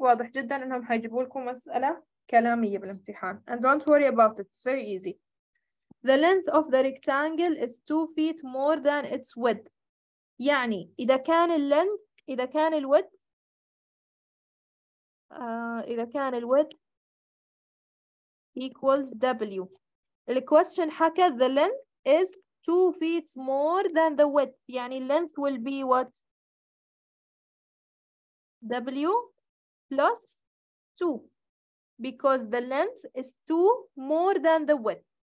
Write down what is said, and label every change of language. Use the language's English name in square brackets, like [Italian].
[Arabic] واضح جدا انهم هيجيبوا لكم مسألة كلامية بالامتحان. [English] And don't worry about it. It's very easy. The length of the rectangle is 2 feet more than its width. [Arabic] يعني إذا كان اللينث إذا كان الود إذا كان الود equals W. [English] The question [Arabic] حكى [English] the length is 2 feet more than the width. [Arabic] يعني [English] length will be what? W plus 2. Because the length is 2 more than the width.